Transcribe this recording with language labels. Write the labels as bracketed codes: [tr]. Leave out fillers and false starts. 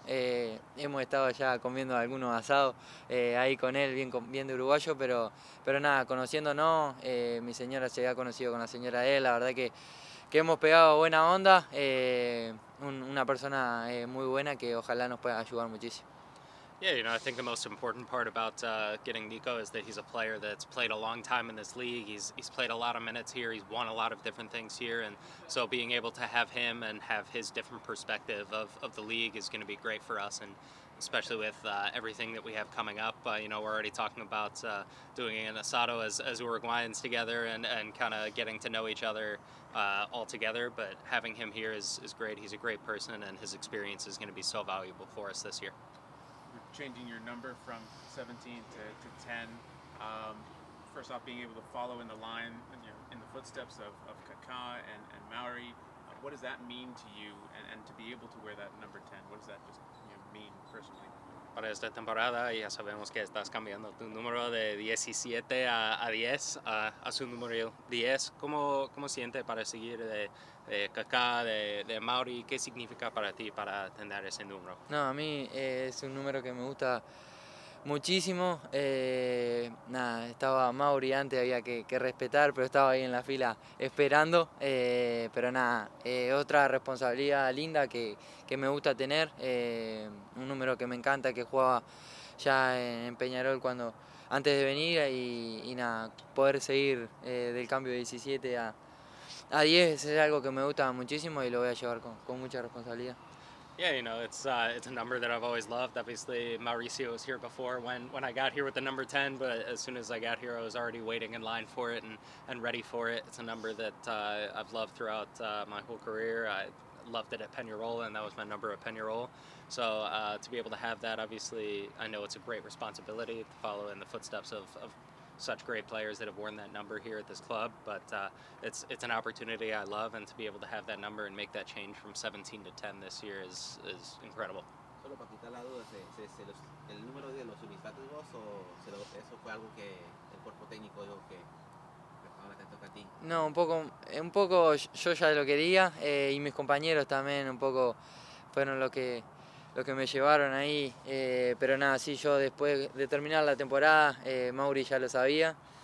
[es] Hemos estado ya comiendo algunos asados ahí con él, bien de uruguayo, pero nada, conociéndonos, mi señora se ha conocido con la señora de él, la verdad que hemos pegado buena onda, una persona muy buena que ojalá nos pueda ayudar muchísimo. [en] Yeah, you know, I think the most important part about getting Nico is that he's a player that's played a long time in this league. He's played a lot of minutes here. He's won a lot of different things here. And so being able to have him and have his different perspective of the league is going to be great for us. And especially with everything that we have coming up, you know, we're already talking about doing an asado as Uruguayans together and kind of getting to know each other all together. But having him here is great. He's a great person, and his experience is going to be so valuable for us this year. Changing your number from 17 to 10. First off, being able to follow in the line, you know, in the footsteps of Kaká and Mauri, what does that mean to you? And to be able to wear that number 10, what does that just, you know, mean personally? [es] Para esta temporada ya sabemos que estás cambiando tu número de 17 a 10, a su número 10. ¿Cómo siente para seguir de Kaká, de Mauri? ¿Qué significa para ti para tener ese número? No, a mí es un número que me gusta muchísimo. Nada, estaba Mauri antes, había que respetar, pero estaba ahí en la fila esperando. Pero nada, otra responsabilidad linda que me gusta tener. Un número que me encanta, que jugaba ya en Peñarol cuando antes de venir. Y nada, poder seguir del cambio de 17 a 10 es algo que me gusta muchísimo y lo voy a llevar con mucha responsabilidad. [en] Yeah, you know, it's a number that I've always loved. Obviously, Mauricio was here before when I got here with the number 10, but as soon as I got here, I was already waiting in line for it and ready for it. It's a number that I've loved throughout my whole career. I loved it at Peñarol, and that was my number at Peñarol. So to be able to have that, obviously, I know it's a great responsibility to follow in the footsteps of such great players that have worn that number here at this club, but it's an opportunity I love, and to be able to have that number and make that change from 17 to 10 this year is incredible. [es] Solo para quitar la duda, el número de los unifacos o eso fue algo que el cuerpo técnico dijo que ahora te toca a ti. No, un poco yo ya lo quería y mis compañeros también un poco fueron lo que me llevaron ahí, pero nada, sí, yo después de terminar la temporada, Mauri ya lo sabía,